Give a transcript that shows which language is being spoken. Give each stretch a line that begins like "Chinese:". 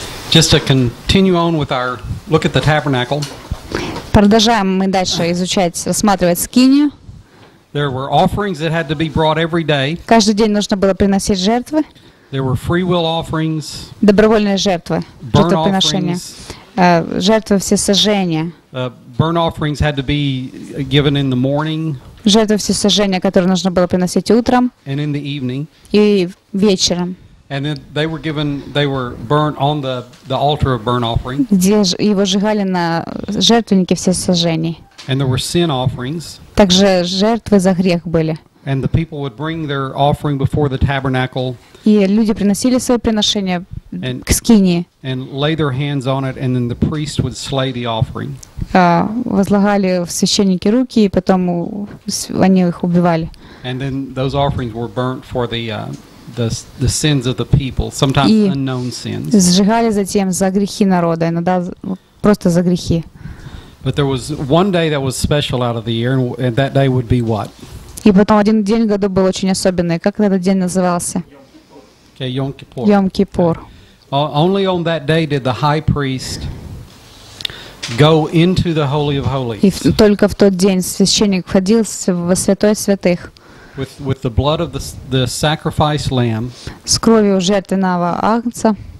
English: Just to continue on with our look at the tabernacle.
Russian: Продолжаем мы дальше изучать, рассматривать скинию.
English: There were offerings that had to be brought every day.
Russian: Каждый день нужно было приносить жертвы.
English: There were free will offerings.
Russian: Добровольные жертвы.
English: Burnt offerings.
Russian: Жертвы всесожжения.
English: Burnt offerings had to be given in the morning.
Russian: Жертвы всесожжения, которые нужно было приносить утром.
English: And in the evening.
Russian: И вечером.
English: And then they were given, they were burnt on the altar of burnt offering.
Russian: Где его сжигали на жертвеннике всесожжений.
English: And there were sin offerings.
Russian: Также жертвы за грех были.
English: And the people would bring their offering before the tabernacle.
Russian: И люди приносили свои приношения к скинии.
English: And lay their hands on it, and then the priest would slay the offering.
Russian: Возлагали в священники руки, и потом они их убивали.
English: And then those offerings were burnt for the sins of the people, sometimes unknown sins.
Russian: И сжигали затем за грехи народа, иногда просто за грехи.
English: But there was one day that was special out of the year, and that day would be what?
Russian: И потом один день в году был очень особенный. Как этот день назывался?
English: Okay, Йом Кипур.
Russian: Йом Кипур.
English: Only on that day did the high priest go into the Holy of Holies.
Russian: И только в тот день священник входил во святой святых.
English: With the blood of the sacrifice lamb.
Russian: С кровью жертвенного агнца.